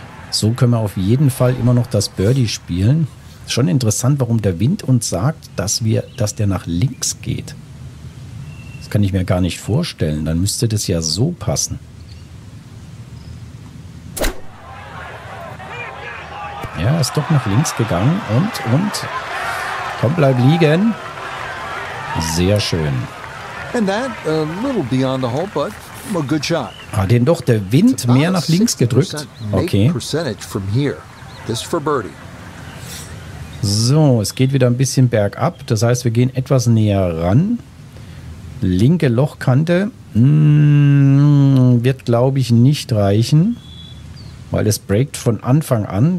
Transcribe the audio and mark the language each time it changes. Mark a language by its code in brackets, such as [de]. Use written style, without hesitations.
[de] So können wir auf jeden Fall immer noch das Birdie spielen. Schon interessant, warum der Wind uns sagt, dass der nach links geht. Das kann ich mir gar nicht vorstellen, dann müsste das ja so passen. Ja, ist doch nach links gegangen und, komm, bleib liegen. Sehr schön. [en] And that a little beyond the hole, but a good shot. [de] Ah, den doch der Wind mehr nach links gedrückt. Okay. [en] Percentage from here. This for birdie. [de] So, es geht wieder ein bisschen bergab. Das heißt, wir gehen etwas näher ran. Linke Lochkante wird, glaube ich, nicht reichen, weil es breakt von Anfang an.